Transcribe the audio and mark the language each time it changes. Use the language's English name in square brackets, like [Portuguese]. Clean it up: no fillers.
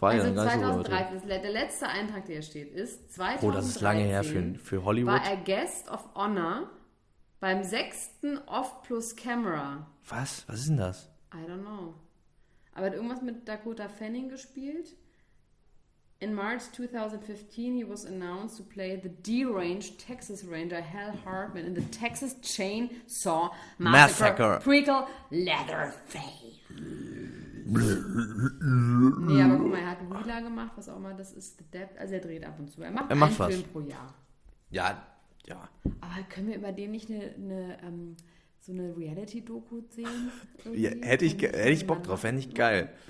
[German] wahrscheinlich ganz so. Also 2013, der letzte Eintrag, der hier steht, ist 2013. Oh, das ist lange her für Hollywood. War er [English] Guest of Honor [German] beim 6. Off Plus Camera. Was? Was ist denn das? [English] I don't know. [German] Aber er hat irgendwas mit Dakota Fanning gespielt. [English] In March 2015, he was announced to play the deranged Texas Ranger Hal Hartman in the Texas Chainsaw Massacre prequel Leatherface. [German] Nee, aber guck mal, er hat Wheeler gemacht, was auch immer das ist. The Depth. Also er dreht ab und zu. Er macht einen was. Film pro Jahr. Ja, ja. Aber können wir über den nicht so eine Reality-Doku sehen? Ja, hätte ich Bock drauf, fände ich geil.